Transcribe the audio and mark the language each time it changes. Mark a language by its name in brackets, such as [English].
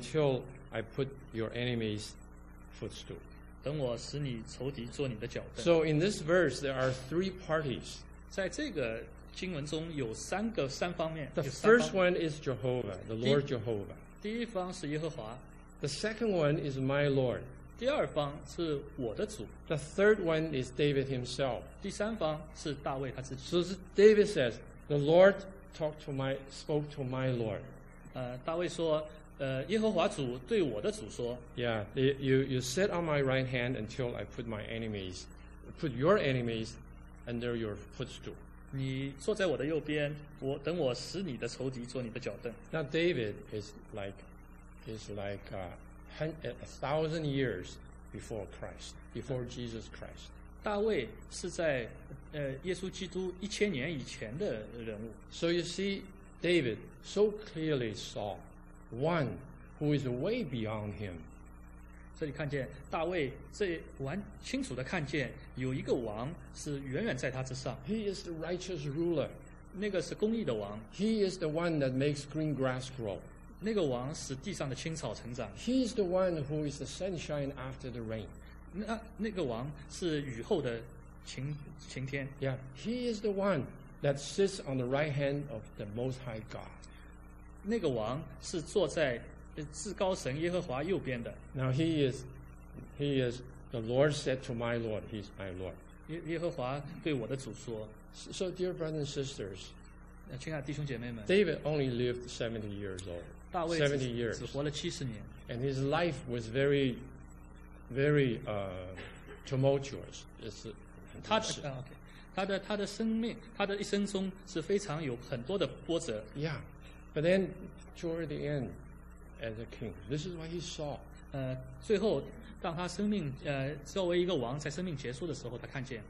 [English] until I put your enemies footstool. [Chinese] 等我使你仇敌做你的脚凳。 [English] So in this verse, there are three parties. [Chinese] 在这个经文中有三方面。 [English] The first one is Jehovah, the Lord Jehovah. [Chinese] 第一方是耶和华。 [English] The second one is my Lord. [Chinese] 第二方是我的主。 [English] The third one is David himself. [Chinese] 第三方是大卫他自己。 [English] So David says, the Lord spoke to my Lord. [Chinese] 大卫说，耶和华主对我的主说。 [English] Yeah, you sit on my right hand until I put your enemies under your footstool. [Chinese] 你坐在我的右边，等我使你的仇敌做你的脚凳。 [English] Now David is like a thousand years before Christ, before Jesus Christ. [Chinese] 大卫是在耶稣基督一千年以前的人物。 [English] So you see, David so clearly saw one who is way beyond him. [Chinese] 这里看见大卫这完清楚的看见有一个王是远远在他之上。 [English] He is the righteous ruler. [Chinese] 那个是公义的王。 [English] He is the one that makes green grass grow. [Chinese] 那个王使地上的青草成长。 [English] He is the one who is the sunshine after the rain. [Chinese] 那个王是雨后的晴天。 [English] Yeah, he is the one that sits on the right hand of the Most High God. [Chinese] 那个王是坐在至高神耶和华右边的。 [English] Now he is He is the Lord said to my Lord, He's my Lord. [Chinese] 耶和华对我的主说。 [English] So dear brothers and sisters, [Chinese] 亲爱的弟兄姐妹们。 [English] David only lived 70 years old. [Chinese] 大卫 [English] 70 years. [Chinese] 只活了70年。 [English] And his life was very, very tumultuous. [Chinese] 他的生命，他的一生中是非常有很多的波折。 [English] Yeah, but then toward the end, as a king, this is what he saw. [Chinese] 最后当他生命作为一个王，在生命结束的时候，他看见。